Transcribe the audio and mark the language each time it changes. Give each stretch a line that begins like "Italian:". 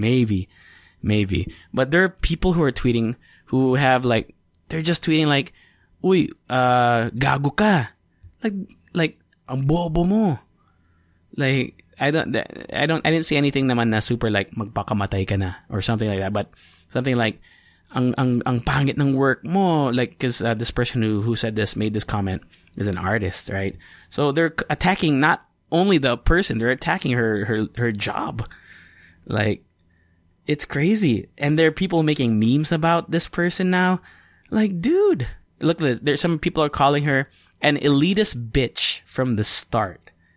English: Maybe. But there are people who are tweeting who have like, they're just tweeting like,
Filipino: uy, gago ka.
English: Like,
Filipino: ang bobo mo.
English: Like, I didn't see anything naman na super like,
Filipino: magpakamatay ka na,
English: or something like that.
Filipino: But something like, ang pangit ng work mo.
English: Like, cause this person who said this, made this comment, is an artist, right? So they're attacking not only the person, they're attacking her job. Like, it's crazy. And there are people making memes about this person now. Like, dude, look at this. There's some people are calling her an elitist bitch from the start.